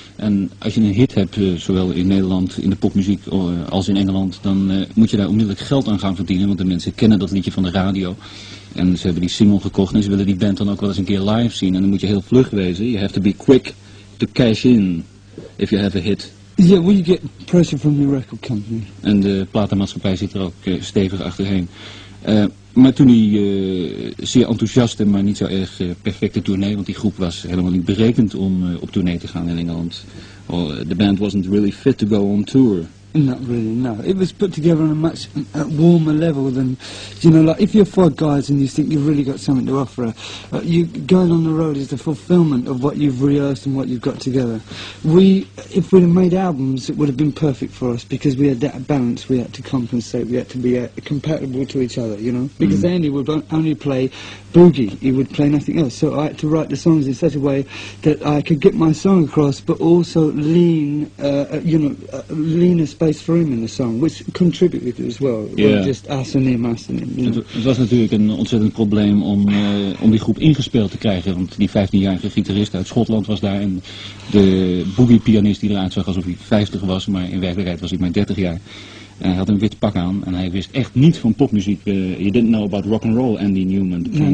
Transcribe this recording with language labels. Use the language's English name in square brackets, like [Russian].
[Dutch] En als je een hit hebt, zowel in Nederland, in de popmuziek als in Engeland, dan moet je daar onmiddellijk geld aan gaan verdienen, want de mensen kennen dat liedje van de radio. En ze hebben die single gekocht en ze willen die band dan ook wel eens een keer live zien. En dan moet je heel vlug wezen. [English] You have to be quick to cash in if you have a hit. Yeah, well, you get pressure from the record company. [Dutch] En de platenmaatschappij zit er ook stevig achterheen. Maar toen die zeer enthousiaste, maar niet zo erg perfecte tournee, want die groep was helemaal niet berekend om op tournee te gaan in Engeland. [English] Well, the band wasn't really fit to go on tour. Not really, no. It was put together on a much warmer level than, you know, like if you're 4 guys and you think you've really got something to offer, you going on the road is the fulfillment of what you've rehearsed and what you've got together. If we'd have made albums, it would have been perfect for us, because we had that balance. We had to compensate, we had to be compatible to each other, you know, because Andy would only play boogie, he would play nothing else. So I had to write the songs in such a way that I could get my song across, but also lean as space for him in the song, which contributed as well. Yeah. Just us and him, us and him. You know? [Dutch] Het was natuurlijk een ontzettend probleem om die groep ingespeeld te krijgen, want die 15-jarige gitarist uit Schotland was daar en de boogie pianist die eruit zag alsof hij 50 was, maar in werkelijkheid was hij maar 30 jaar. Hij had een wit pak aan en hij wist echt niet van popmuziek. [English] He didn't know about rock and roll, Andy Newman.